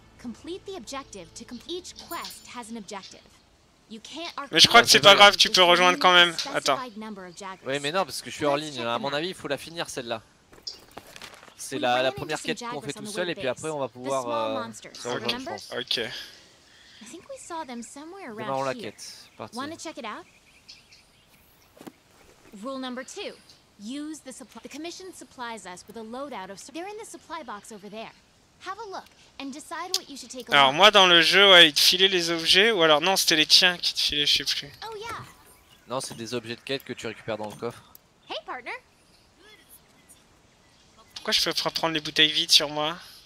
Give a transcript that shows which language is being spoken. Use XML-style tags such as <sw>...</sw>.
<en>Complete the objective to complete each quest has an objective.</en> <fr>Mais je crois que c'est pas grave, tu peux rejoindre quand même. Attends. Oui, mais non, parce que je suis hors ligne. À mon avis, il faut la finir celle-là. C'est la première quête qu'on fait tout seul et puis après on va pouvoir Ok. Démarrons la quête. Parti.</fr> <en>Rule number two. Use the supply. The commission supplies us with a loadout of. They're in the supply box over there. Have a look and decide what you should take.</en> <fr>Alors moi dans le jeu, ouais, ils te filaient les objets ou alors non, c'était les tiens qui te filaient, je sais plus.</fr> <en>Oh yeah.</en> <fr>Non, c'est des objets de quête que tu récupères dans le coffre.</fr> <en>Hey partner.</en> <fr>Pourquoi je peux pas prendre les bouteilles vides sur moi?</fr>